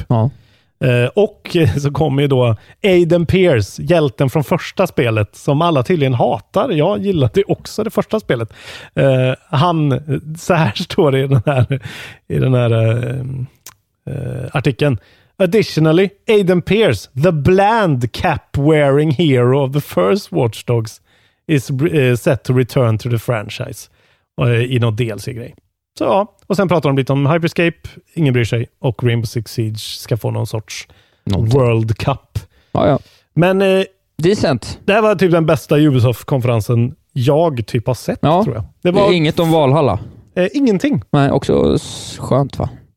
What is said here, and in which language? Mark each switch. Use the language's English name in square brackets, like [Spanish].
[Swedish] Ja. Och så kommer ju då Aiden Pierce, hjälten från första spelet som alla tydligen hatar. Jag gillade också det första spelet. Han, så här står det i den här artikeln. [English] Additionally, Aiden Pierce, the bland cap-wearing hero of the first Watch Dogs, is set to return to the franchise. [Swedish] I något DLC-grej. Så ja. Och sen pratar de lite om Hyperscape. Ingen bryr sig. Och Rainbow Six Siege ska få någon sorts World Cup. Ja. Men [English] decent. [Swedish] Det här var typ den bästa Ubisoft-konferensen jag typ har sett, tror jag. Det var inget om Valhalla. Ingenting. Nej, också skönt va?